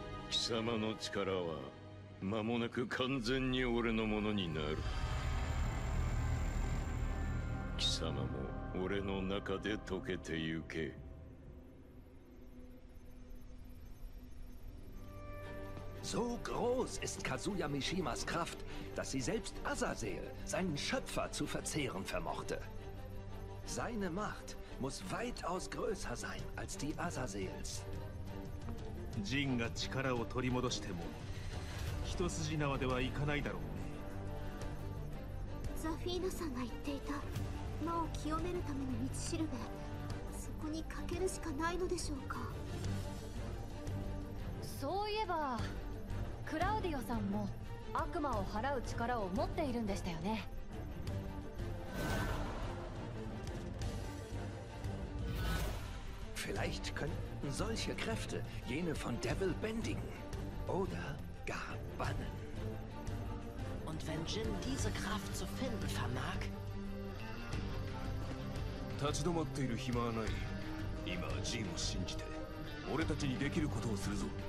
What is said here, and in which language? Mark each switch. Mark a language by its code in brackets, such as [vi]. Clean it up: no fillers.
[ja] 貴様の力は間もなく完全に俺のものになる。貴様も俺の中で溶けてゆけ。 [de] So groß ist Kazuya Mishimas Kraft, dass sie selbst Azazel, seinen Schöpfer, zu verzehren vermochte. Seine Macht muss weitaus größer sein als die Azazels. [ja] Jin が力を取り戻しても、一筋縄ではいかないだろうね。ザフィーナさんが言っていた、魔を清めるための道しるべ、そこにかけるしかないのでしょうか。そういえば、クラウディオさんも悪魔を払う力を持っているんでしたよね。 [de] Vielleicht könnten solche Kräfte jene von Devil bändigen oder gar bannen. Und wenn Jin diese Kraft zu finden vermag? [ja] 立ち止まっている暇はない。今はジンを信じて、俺たちにできることをするぞ。